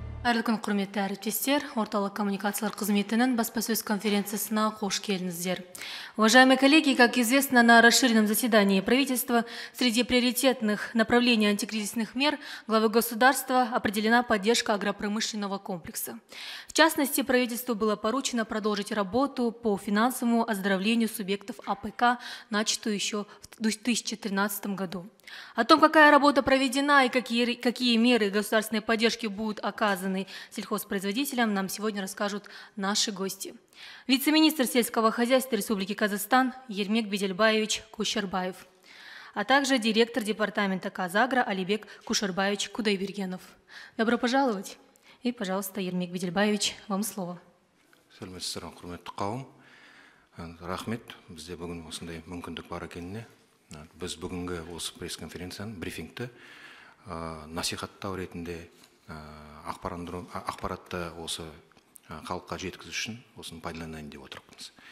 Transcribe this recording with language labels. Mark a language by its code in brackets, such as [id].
[kk] Әрі күн құрметті әріптестер, орталық коммуникациялар қызметінің баспасөз конференциясына қош келдіңіздер. [ru] Уважаемые коллеги, как известно, на расширенном заседании правительства среди приоритетных направлений антикризисных мер главы государства определена поддержка агропромышленного комплекса. В частности, правительству было поручено продолжить работу по финансовому оздоровлению субъектов АПК, начатую еще в 2013 году. О том, какая работа проведена и какие меры государственной поддержки будут оказаны сельхозпроизводителям, нам сегодня расскажут наши гости. Вице-министр сельского хозяйства Республики Казахстан Ермек Бедельбаевич Кушербаев, а также директор департамента Казагро Алибек Кушербаевич Кудайбергенов. Добро пожаловать. И, пожалуйста, Ермек Бедельбаевич, вам слово. [kk] Рахмет, бізде бүгін осындай мүмкіндік бар екеніне. Біз бүгінгі осы пресс-конференцияның брифингті насихаттау ретінде ақпаратты осы халыққа жеткізу үшін осын пайдаланайын деп отырмыз.